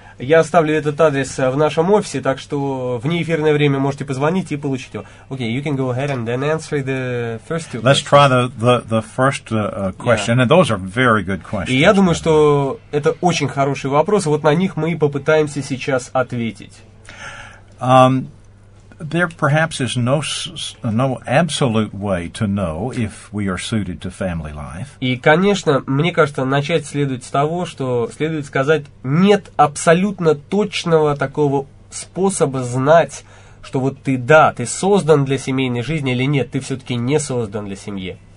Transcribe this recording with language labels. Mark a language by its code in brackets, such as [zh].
[ru] Я оставлю этот адрес в нашем офисе, так что в неэфирное время можете позвонить и получить его. [en] Okay, you can go ahead and then answer the first two. Let's try the first question, yeah. And those are very good questions. [ru] И я думаю, что это очень хороший вопрос, вот на них мы и попытаемся сейчас ответить. [en] There perhaps is no absolute way to know if we are suited to family life. [ru] И, конечно, мне кажется, начать следует с того, что следует сказать, нет абсолютно точного такого способа знать, что вот ты, да, ты создан для семейной жизни или нет, ты все-таки не создан для семьи.